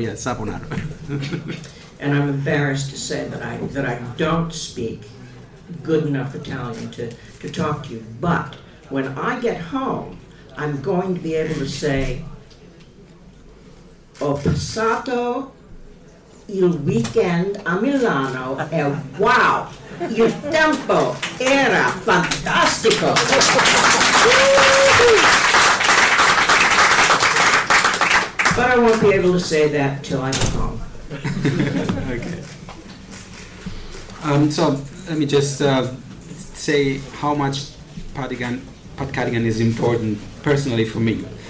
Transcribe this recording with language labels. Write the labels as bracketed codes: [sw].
[en] Yeah, Saponaro. And I'm embarrassed to say that I don't speak good enough Italian to talk to you. But when I get home, I'm going to be able to say, [it] ho passato il weekend a Milano e wow, il tempo era fantastico. [en] But I won't be able to say that till I'm home. Okay. So let me just say how much Pat Cadigan is important personally for me.